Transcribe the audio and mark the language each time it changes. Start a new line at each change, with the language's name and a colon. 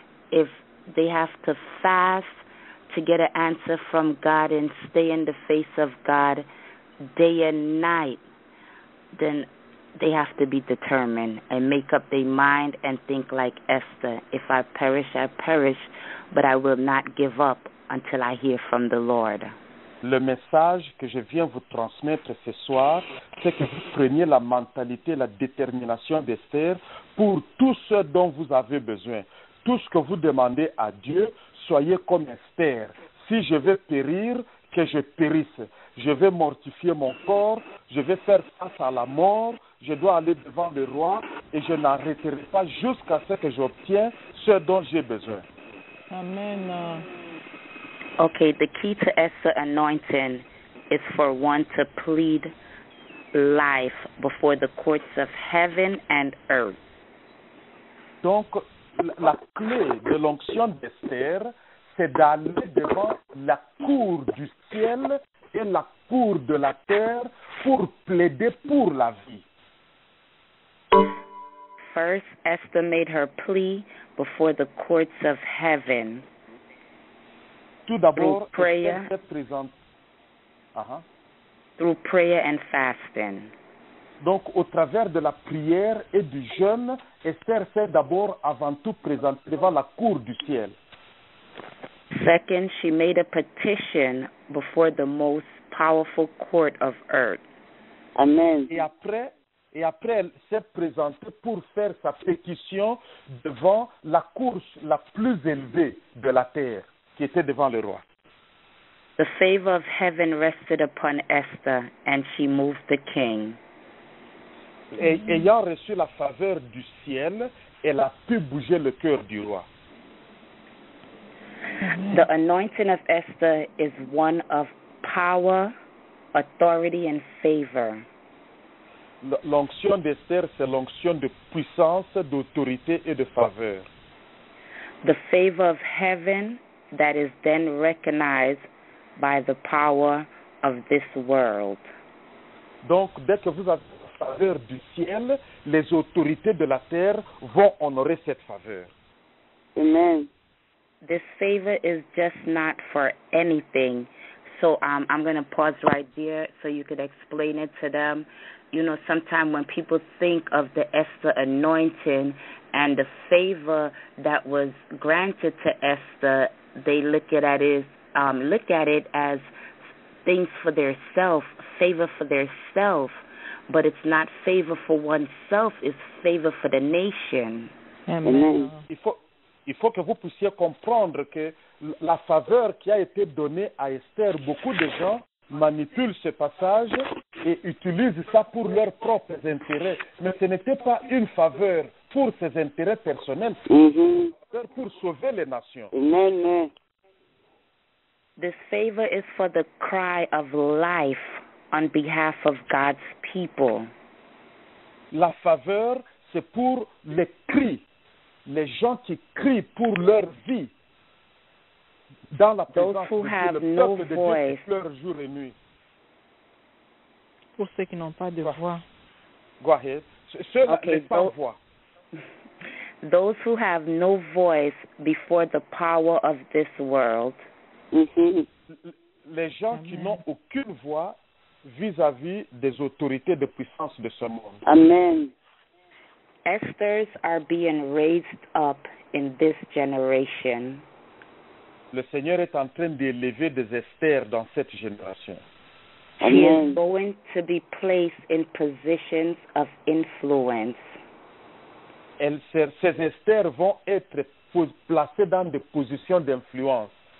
English: If they have to fast to get an answer from God and stay in the face of God day and night, then they have to be determined and make up their mind and think like Esther. If I perish, I perish, but I will not give up until I hear from the Lord.
French: Le message que je viens vous transmettre ce soir, c'est que vous preniez la mentalité, la détermination d'Esther pour tout ce dont vous avez besoin. Tout ce que vous demandez à Dieu, soyez comme Esther. Si je vais périr, que je périsse. Je vais mortifier mon corps, je vais faire face à la mort, je dois aller devant le roi et je n'arrêterai pas jusqu'à ce que j'obtienne ce dont j'ai besoin. Amen.
English: Okay, the key to Esther anointing is for one to plead life before the courts of heaven and earth.
French: Donc, la clé de l'onction d'Esther, c'est d'aller devant la cour du ciel et la cour de la terre pour plaider pour la vie.
English: First, Esther made her plea before the courts of heaven.
French: Tout d'abord,
English: through prayer,
French: Esther s'est présentée.
English: Through prayer and fasting.
French: Donc, au travers de la prière et du jeûne, Esther s'est d'abord, avant tout, présentée devant la cour du ciel.
English: Second, she made a petition before the most powerful court of earth. Amen.
French: Et après, elle s'est présentée pour faire sa pétition devant la cour la plus élevée de la terre, qui était devant le roi.
English: The favor of heaven rested upon Esther, and she moved the king.
French: Et ayant reçu la faveur du ciel, elle a pu bouger le cœur du roi.
English: The anointing of Esther is one of power, authority, and favor.
French: L'onction d'Esther, c'est l'onction de puissance, d'autorité et de faveur.
English: The favor of heaven that is then recognized by the power of this world.
French: Donc, dès que vous avez la faveur du ciel, les autorités de la terre vont honorer cette faveur. Amen.
English: This favor is just not for anything. So I'm going to pause right there so you could explain it to them. You know, sometimes when people think of the Esther anointing and the favor that was granted to Esther, they look at it as things for their self, favor for their self. But it's not favor for oneself, it's favor for the nation. Amen.
French: Il faut que vous puissiez comprendre que la faveur qui a été donnée à Esther, beaucoup de gens manipulent ce passage et utilisent ça pour leurs propres intérêts. Mais ce n'était pas une faveur pour ses intérêts personnels, c'était une faveur pour sauver les nations. Non, non.
English: This favor is for the cry of life on behalf of God's people.
French: La faveur, c'est pour les cris. Les gens qui crient pour leur vie dans la présence de Dieu, le peuple de Dieu qui pleure jour et nuit. Pour ceux qui n'ont pas de voix.
English: Go ahead.
French: Ceux qui n'ont pas de voix.
English: Those who have no voice before the power of this world.
French: Les gens qui n'ont aucune voix vis-à-vis des autorités de puissance de ce monde. Amen.
English: Esthers are being raised up in this generation.
French: Le Seigneur est en train d'élever des Esthers dans cette génération.
English: She is going to be placed in positions of influence.
French: Ces Esthers vont être placées dans des positions d'influence.